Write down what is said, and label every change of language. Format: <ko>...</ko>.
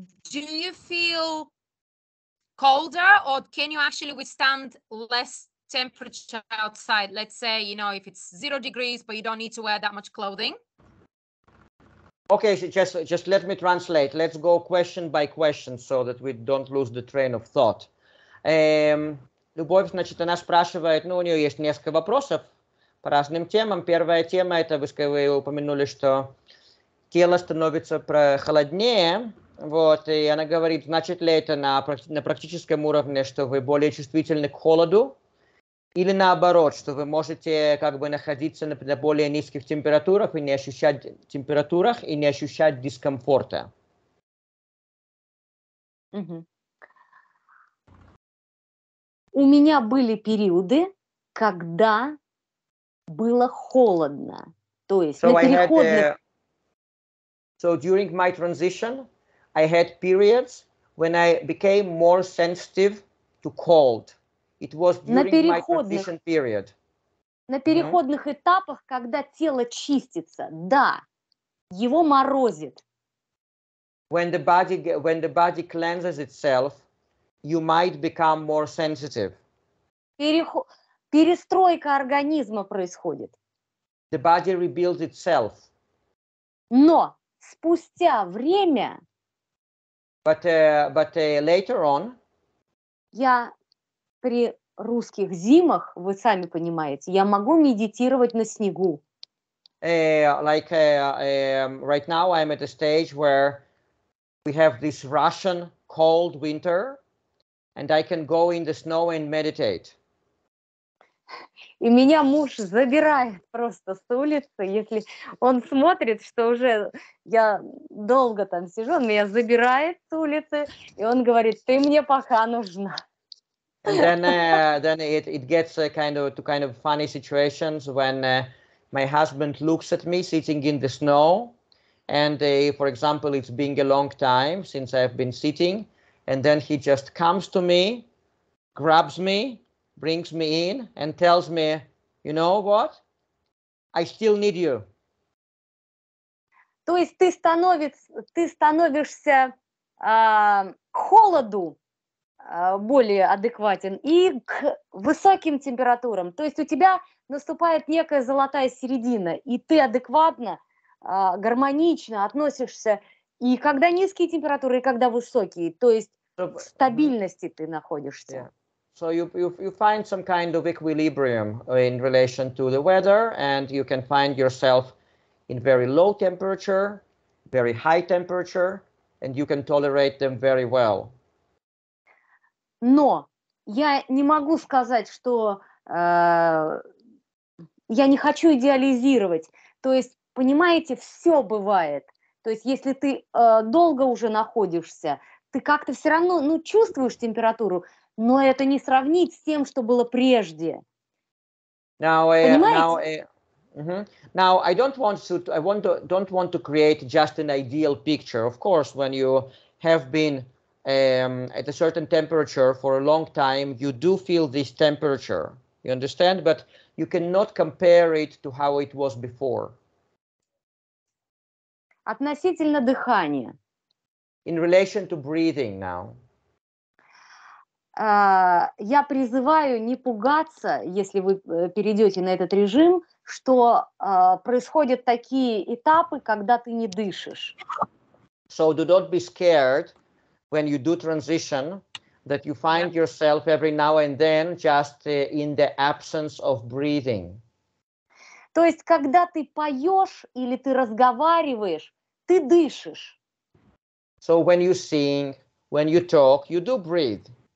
<en>Do you feel colder, or can you actually withstand less temperature outside? Let's say, if it's 0 degrees, but you don't need to wear that much clothing. Okay, just let me translate. Let's go question by question so that we don't lose the train of thought.</en> <ru>Любовь, значит, она спрашивает, у нее есть несколько вопросов по разным темам. Первая тема – это вы упомянули, что тело становится холоднее. Вот, и она говорит, значит ли это на практическом уровне, что вы более чувствительны к холоду? Или наоборот, что вы можете находиться на более низких температурах и не ощущать дискомфорта. У меня были периоды, когда было холодно. То есть на переходных.</ru> <en>So during my transition, I had periods when I became more sensitive to cold. It was during my transition period.</en> <ru>На переходных этапах, когда тело чистится, да, его морозит.</ru> <en>When the body cleanses itself, you might become more sensitive.</en> <ru>Перестройка организма происходит.</ru> <en>The body rebuilds itself.</en> <ru>Но спустя время.</ru> <en>But later on.</en> <ru>При русских зимах, вы сами понимаете, я могу медитировать на снегу.</ru> <en>Right now I'm at a stage where we have this Russian cold winter, and I can go in the snow and meditate.</en> <ru>и меня муж забирает просто с улицы, если он смотрит, что уже я долго там сижу, он меня забирает с улицы, и он говорит, ты мне пока нужна.</ru> <en>And then it gets kind of funny situations when my husband looks at me sitting in the snow, and for example, it's been a long time since I've been sitting, and then he just comes to me, grabs me, brings me in, and tells me, you know what? I still need you.</en> <ru>То есть ты становишься холоду более адекватен и к высоким температурам. То есть у тебя наступает некая золотая середина, и ты адекватно, гармонично относишься и когда низкие температуры, и когда высокие. То есть в стабильности ты находишься.</ru> <en>Yeah. So you find some kind of equilibrium in relation to the weather, and you can find yourself in very low temperature, very high temperature, and you can tolerate them very well.</en> <ru>Но я не могу сказать, что я не хочу идеализировать. То есть, понимаете, все бывает. То есть, если ты долго уже находишься, ты как-то все равно чувствуешь температуру, но это не сравнить с тем, что было прежде.</ru> <en>Now I don't want to create just an ideal picture. Of course, when you have been at a certain temperature for a long time, you do feel this temperature. You understand? But you cannot compare it to how it was before.</en> <ru>Относительно дыхания.</ru> <en>In relation to breathing now.</en> <ru>Я призываю не пугаться, если вы перейдете на этот режим, что происходят такие этапы, когда ты не дышишь.</ru> <en>So do not be scared when you do transition, that you find yourself every now and then just in the absence of breathing.</en> <ru>То есть, когда ты поешь или ты разговариваешь, ты дышишь.</ru> <en>So when you sing, when you talk, you do breathe.</en>